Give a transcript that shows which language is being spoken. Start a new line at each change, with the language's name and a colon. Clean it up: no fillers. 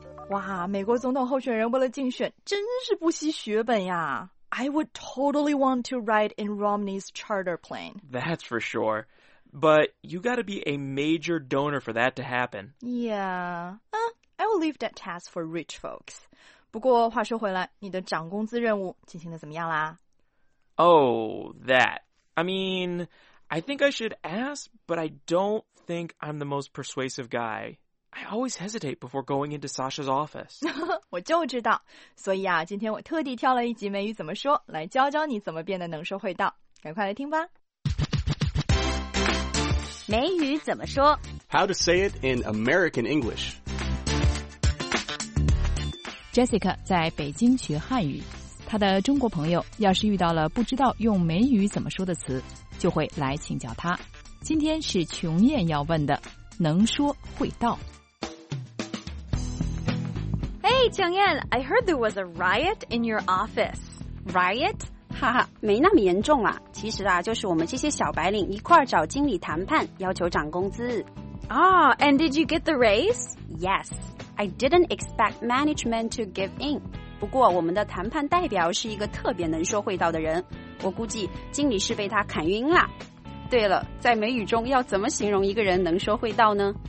Chinese: 哇，美国总统候选人为了竞选真是不惜血本呀。
English: I would totally want to ride in Romney's charter plane. That's for sure. But you gotta be a major donor for that to happen. Yeah, I will leave that task for rich folks.
Chinese: 不过话说回来，你的涨工资任务进行得怎么样啦？
English: Oh, that. I mean, I think I should ask, but I don't think I'm the most persuasive guy. I always hesitate before going into Sasha's office.
Chinese: 我就知道，所以啊，今天我特地挑了一集美语怎么说，来教教你怎么变得能说会道。赶快来听吧。美语怎么说？
English: How to say it in American English.
Chinese: Jessica 在北京学汉语，她的中国朋友要是遇到了不知道用美语怎么说的词，就会来请教她。今天是琼艳要问的，能说会道。
English: Hey, 琼艳 ，I heard there was a riot in your office. Riot?
Chinese: 哈哈，没那么严重啊。其实啊，就是我们这些小白领一块儿找经理谈判，要求涨工资。
English: Ah,、oh, and did you get the raise? Yes. I didn't expect management to give in.
Chinese: 不过我们的谈判代表是一个特别能说会道的人，我估计经理是被他砍晕了。对了，在美语中要怎么形容一个人能说会道呢？